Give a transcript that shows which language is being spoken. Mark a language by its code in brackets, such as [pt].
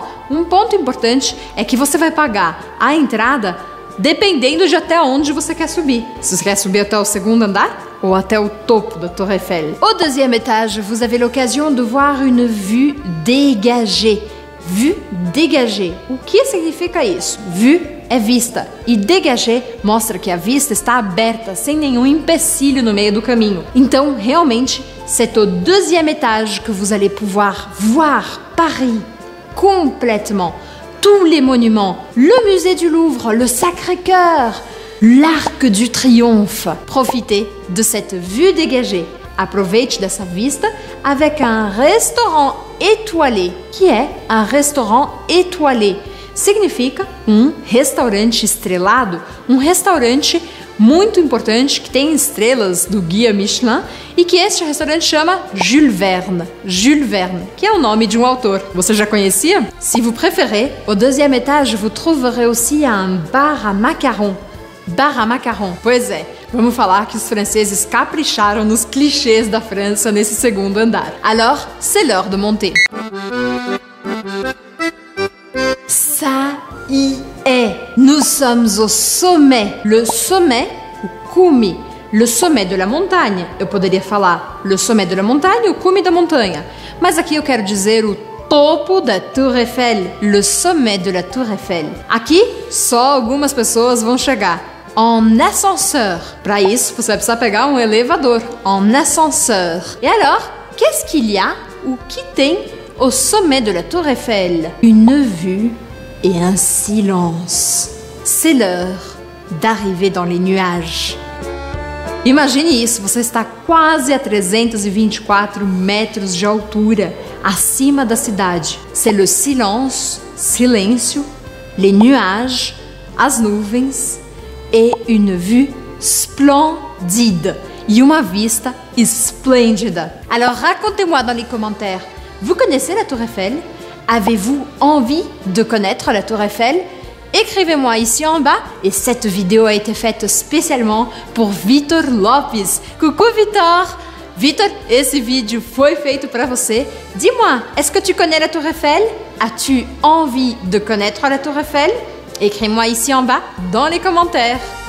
[pt] Um ponto importante é que você vai pagar a entrada dependendo de até onde você quer subir. Se você quer subir até o segundo andar ou até o topo da Torre Eiffel. [fr] Au deuxième étage, vous avez l'occasion de voir une vue dégagée. Vue dégagée. [pt] O que significa isso? Vue é vista. E dégagée mostra que a vista está aberta, sem nenhum empecilho no meio do caminho. Então, realmente, [fr] c'est au deuxième étage que vous allez pouvoir voir Paris complètement. Tous les monuments, le musée du Louvre, le Sacré-Cœur, l'Arc du Triomphe. Profitez de cette vue dégagée. [pt] Aproveite dessa vista [fr] avec un restaurant étoilé. [pt] Que é [fr] un restaurant étoilé? [pt] Significa um restaurante estrelado, um restaurante muito importante, que tem estrelas do Guia Michelin, e que este restaurante chama Jules Verne. Jules Verne, que é o nome de um autor. Você já conhecia? [fr] Se vous préférez, au deuxième étage, vous trouverez aussi un bar à macarons. Bar à macarons. [pt] Pois é, vamos falar que os franceses capricharam nos clichês da França nesse segundo andar. [fr] Alors, c'est l'heure de monter. Ça y est. Nous sommes au sommet. Le sommet, [pt] o cume. [fr] Le sommet de la montagne. [pt] Eu poderia falar [fr] le sommet de la montagne, [pt] o cume da montanha. Mas aqui eu quero dizer o topo da Tour Eiffel. [fr] Le sommet de la Tour Eiffel. [pt] Aqui, só algumas pessoas vão chegar. [fr] En ascenseur. [pt] Para isso, você vai precisar pegar um elevador. [fr] En ascenseur. E alors, qu'est-ce qu'il y a [pt] ou que tem [fr] au sommet de la Tour Eiffel? Une vue et un silence. C'est l'heure d'arriver dans les nuages. [pt] Imagine isso, você está quase a 324 metros de altura, acima da cidade. [fr] C'est le silence, silêncio, les nuages, as nuvens, et une vue splendide. [pt] E uma vista esplêndida. [fr] Alors racontez-moi dans les commentaires, vous connaissez la Tour Eiffel? Avez-vous envie de connaître la Tour Eiffel? Écrivez-moi ici en bas. Et cette vidéo a été faite spécialement pour Vitor Lopes. Coucou Vitor! [pt] Vitor, esse vídeo foi feito para você. [fr] Dis-moi, est-ce que tu connais la Tour Eiffel? As-tu envie de connaître la Tour Eiffel? Écris-moi ici en bas, dans les commentaires.